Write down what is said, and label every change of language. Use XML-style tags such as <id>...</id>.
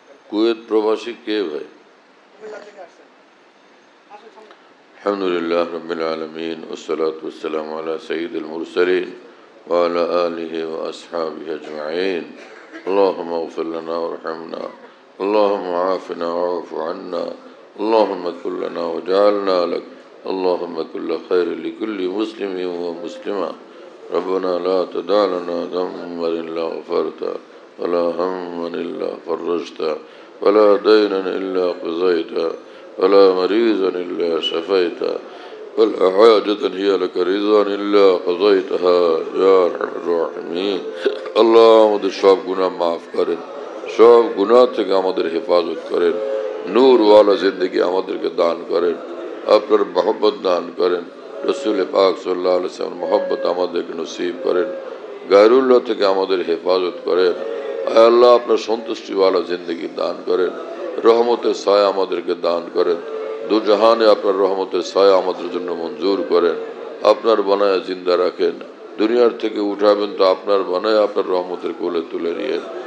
<bn>Kuwait প্রবাসী কে ভাই?</bn> <ar>আলহামদুলিল্লাহ রাব্বিল আলামিন, ওয়াসসালাতু ওয়াসসালামু আলা সাইয়্যিদিল মুরসালিন ওয়া আলা আলিহি ওয়া আসহাবিহি আজমাইন। اللهم اغفر لنا وارحمنا، اللهم عافنا واعف عنا، اللهم كن لنا واجعلنا لك، اللهم كن خير لكل مسلم ومسلمة. ربنا لا تدع لنا ذنبا إلا غفرته، ولا هما إلا فرجته، ولا دينا إلا قضيته، ولا مريضا إلا شفيته، ولا حاجة هي لك رضا إلا قضيتها يا أرحم الراحمين.</ar> <bn>আল্লাহ আমাদের সব গুনাহ মাফ করেন, সব গুনাহ থেকে আমাদের হেফাজত করেন, নূরওয়ালা জিন্দেগি আমাদেরকে দান করেন, আপনার মহব্বত দান করেন, রসুল পাক সাল্লাল্লাহু আলাইহি সাল্লাম মহব্বত আমাদেরকে নসিব করেন, গায়রুল্লাহ থেকে আমাদের হেফাজত করেন, আয় আল্লাহ আপনার সন্তুষ্টিওয়ালা জিন্দেগি দান করেন, রহমতের সায় আমাদেরকে দান করেন, দুজাহানে আপনার রহমতের সায় আমাদের জন্য মঞ্জুর করেন, আপনার বানায় জিন্দা রাখেন, দুনিয়ার থেকে উঠাবেন তো আপনার বানায় আপনার রহমতের কোলে তুলে নিয়ে।</bn>